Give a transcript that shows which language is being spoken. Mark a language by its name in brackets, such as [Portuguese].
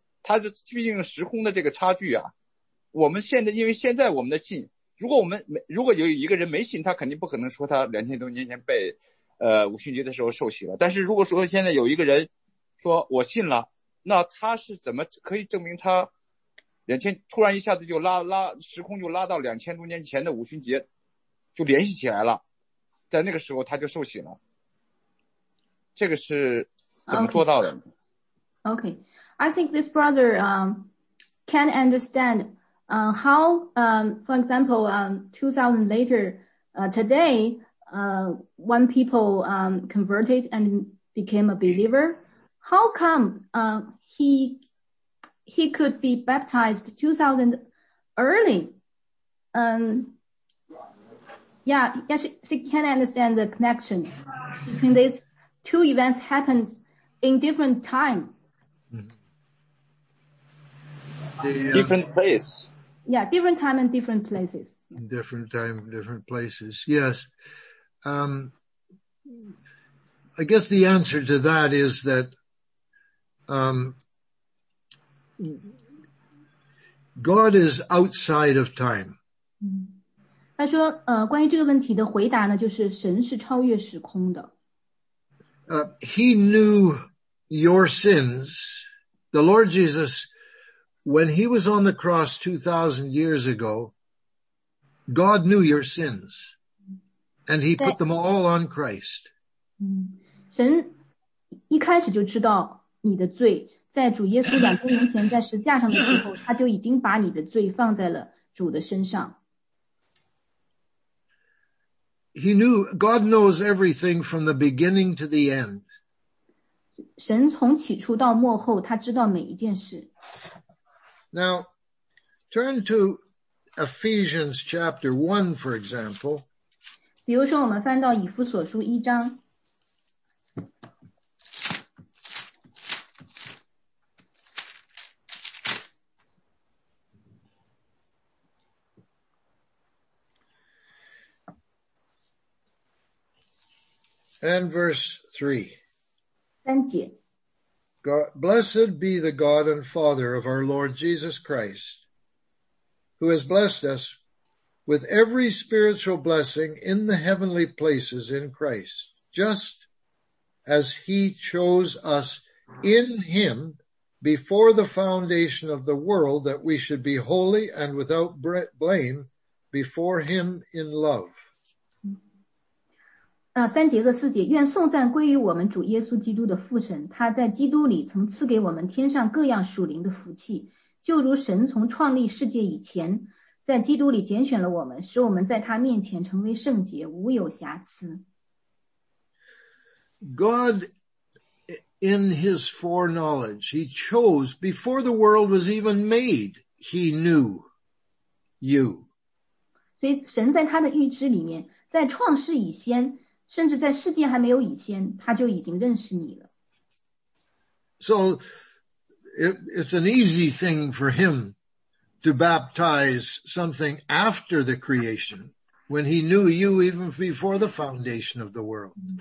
[Chinese] 它是毕竟时空的这个差距啊，我们现在因为现在我们的信，如果有一个人没信，他肯定不可能说他2000多年前被五旬节的时候受洗了。但是如果说现在有一个人说我信了，那他是怎么可以证明他突然一下子就拉时空就拉到2000多年前的五旬节就联系起来了，在那个时候他就受洗了，这个是怎么做到的 [English] ？OK。 I think this brother can understand how, for example, 2000 later, today, one people converted and became a believer. How come he could be baptized 2000 early? Yes, he can understand the connection between these two events happened in different time. Different place. Yeah, different time and different places. Different time, different places. Yes. I guess the answer to that is that God is outside of time. [Chinese] 他说关于这个问题的回答呢，就是神是超越时空的。 [English] He knew your sins. The Lord Jesus, when he was on the cross 2,000 years ago, God knew your sins. And he put them all on Christ. [Chinese] 神一开始就知道你的罪，在主耶稣2000年前在十字架上的时候，他就已经把你的罪放在了主的身上。 [English] He knew, God knows everything from the beginning to the end. [Chinese] 神从起初到末后，他知道每一件事。 [English] Now, turn to Ephesians chapter 1, for example. [Chinese] 比如说我们翻到以弗所书一章。 [English] And verse [Chinese] 3. 三节。 [English] God, blessed be the God and Father of our Lord Jesus Christ, who has blessed us with every spiritual blessing in the heavenly places in Christ, just as he chose us in him before the foundation of the world that we should be holy and without blame before him in love. [Chinese] 三节和四节，愿颂赞归于我们主耶稣基督的父神，他在基督里曾赐给我们天上各样属灵的福气，就如神从创立世界以前，在基督里拣选了我们，使我们在他面前成为圣洁，无有瑕疵。 [English] God, in his foreknowledge, he chose, before the world was even made, he knew you. [Chinese] 所以神在他的预知里面，在创世以先，甚至在世界还没有以前，他就已经认识你了。 [English] So, it's an easy thing for him to baptize something after the creation, when he knew you even before the foundation of the world.